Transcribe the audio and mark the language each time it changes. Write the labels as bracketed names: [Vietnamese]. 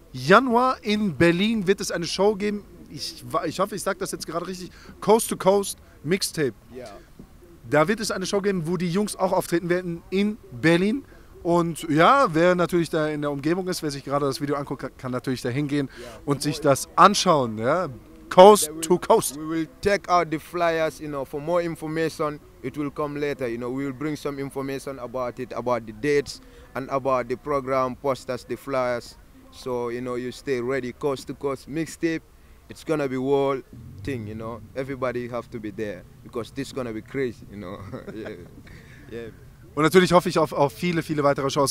[German] Januar in Berlin wird es eine Show geben. Ich hoffe, ich sage das jetzt gerade richtig. Coast to Coast Mixtape. Ja. Da wird es eine Show geben, wo die Jungs auch auftreten werden in Berlin. Und ja, wer natürlich da in der Umgebung ist, wer sich gerade das Video anguckt, kann natürlich da hingehen und sich das anschauen. Ja? Coast to Coast. [English] We will take out the flyers, you know, for more information. It will come later, you know, we will bring some information about it, about the dates and about the program, posters, the flyers. So, you know, you stay ready, Coast to Coast mixtape. It's gonna be world thing, you know, everybody have to be there, because this is gonna be crazy, you know. [German] Und natürlich hoffe ich auf viele, viele weitere Shows.